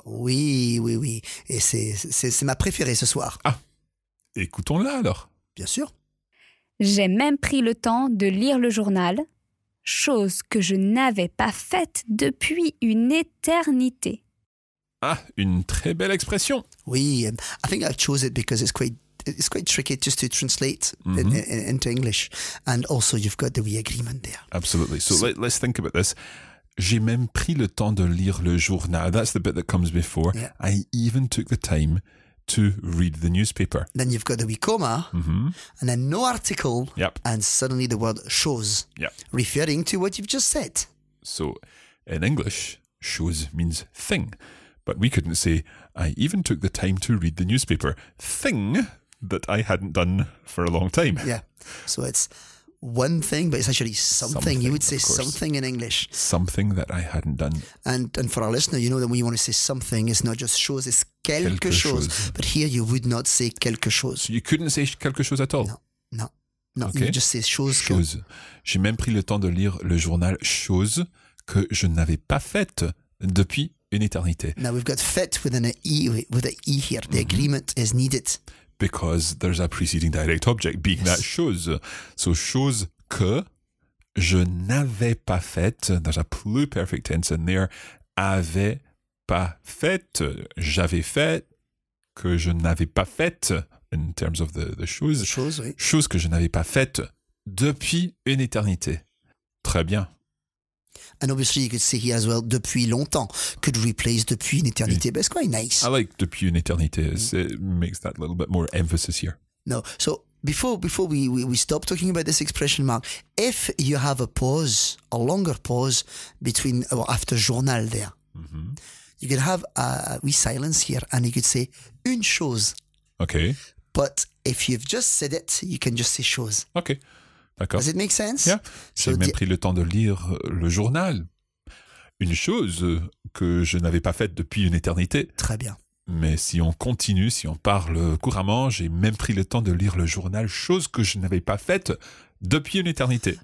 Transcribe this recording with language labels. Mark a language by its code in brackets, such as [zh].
[fr] Oui. Et c'est ma préférée ce soir. Ah, Écoutons-la alors. Bien sûr. J'ai même pris le temps de lire le journal, chose que je n'avais pas faite depuis une éternité. Ah, une très belle expression. [en] Oui, I think I've chosen it because it's quite tricky just to translate into English. And also, you've got the we agreement there. Absolutely. So let's think about this. [fr] J'ai même pris le temps de lire le journal. [en] That's the bit that comes before. Yeah. I even took the time to read the newspaper. Then you've got the wee coma, and then no article, and suddenly the word chose, referring to what you've just said. So in English, chose means thing, but we couldn't say, I even took the time to read the newspaper, thing that I hadn't done for a long time. Yeah, so it's one thing, but it's actually something. You would say something in English. Something that I hadn't done. And for our listener, you know that when you want to say something, it's not just chose, it's quelque chose. But here you would not say quelque chose. So you couldn't say quelque chose at all? No. Okay. You just say chose. [fr] Chose. J'ai même pris le temps de lire le journal chose que je n'avais pas faite depuis une éternité. [en] Now we've got faite with an E, with an E here. The agreement is needed. Because there's a preceding direct object being that chose. [fr] So chose que je n'avais pas faite. [en] There's a pluperfect tense in there. [fr] Avais pas faite. J'avais fait que je n'avais pas faite in terms of the chose. Chose, oui. Chose que je n'avais pas faite depuis une éternité. Très bien. [en] And obviously you could say here as well, [fr] depuis longtemps, [en] could replace [fr] depuis une éternité, [en] but it's quite nice. I like [fr] depuis une éternité, [en] it makes that a little bit more emphasis here. No, so before we stop talking about this expression, Mark, if you have a pause, a longer pause, between after journal there, you could have a wee silence here and you could say une chose. Okay. But if you've just said it, you can just say chose. [fr] Okay. D'accord. [en] Does it make sense? Yeah. [fr] J'ai même pris le temps de lire le journal. Une chose que je n'avais pas faite depuis une éternité. Très bien. Mais si on continue, si on parle couramment, j'ai même pris le temps de lire le journal, chose que je n'avais pas faite depuis une éternité.